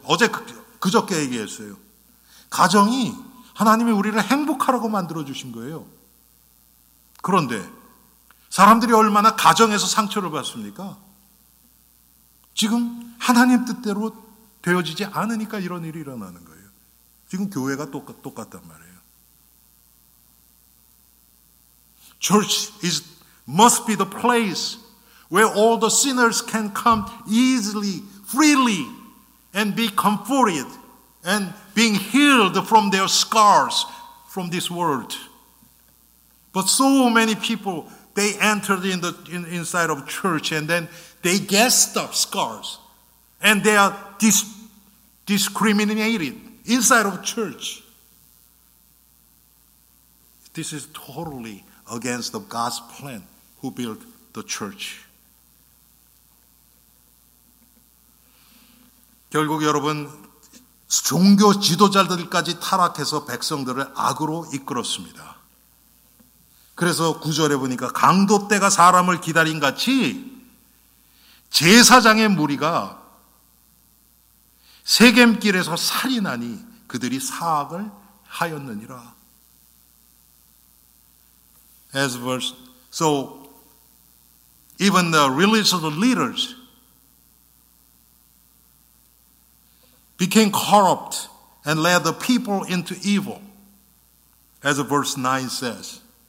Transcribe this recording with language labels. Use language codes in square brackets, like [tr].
[ko] 어제 그저께 얘기했어요. 가정이 하나님이 우리를 행복하라고 만들어주신 거예요. 그런데 사람들이 얼마나 가정에서 상처를 받습니까? 지금 하나님 뜻대로 되어지지 않으니까 이런 일이 일어나는 거예요. 지금 교회가 똑같단 말이에요. [en] Church is must be the place where all the sinners can come easily, freely, and be comforted, and being healed from their scars from this world. But so many people, they entered inside of church, and then they get stuff, scars, and they are discriminated inside of church. This is totally against God's plan who built the church. [ko] 결국 여러분 종교 지도자들까지 타락해서 백성들을 악으로 이끌었습니다. 그래서 9절에 보니까 강도 떼가 사람을 기다린 같이 제사장의 무리가 세겜길에서 살인하니 그들이 사악을 하였느니라. [en] As verse, so even the religious leaders became corrupt and led the people into evil, as verse 9 says.